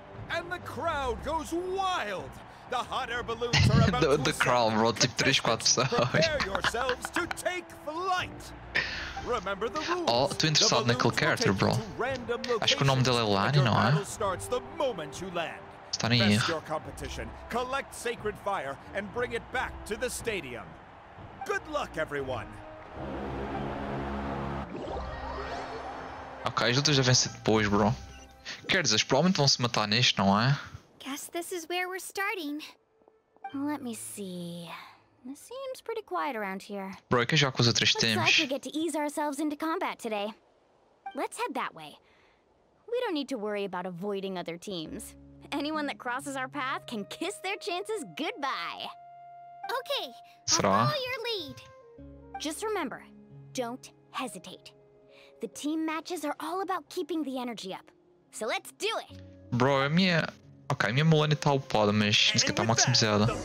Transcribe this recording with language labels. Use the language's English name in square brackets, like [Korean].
[English] And the crowd goes wild. The hot air balloons are about the, to the crowd, [Portuguese] bro, tipo 3-4 pessoas. [English] Prepare yourselves to take flight. Remember the rules. [Portuguese] Oh, tô interessado naquele character, bro. Acho que o nome dele é Lani, não é? [English] Starts the moment you land. [Portuguese] Está em erro. [English] Your competition. Collect sacred fire and bring it back to the stadium. Good luck, everyone. [Portuguese] Ok, as lutas devem ser depois, bro. Quer dizer, provavelmente vão se matar neste, não é? [English] Guess this is where we're starting. Let me see. This seems pretty quiet around here. [Portuguese] Bro, que já coisa três temos. [English] Looks like we get to ease ourselves into combat today. Let's head that way. We don't need to worry about avoiding other teams. Anyone that crosses our path can kiss their chances goodbye. Okay, I'll follow your lead. Just remember, don't hesitate. The team matches are all about keeping the energy up. So let's do it. [Portuguese] Bro, a minha... Ok, a minha Mulani tá upada, mas não sei que tá maximizada.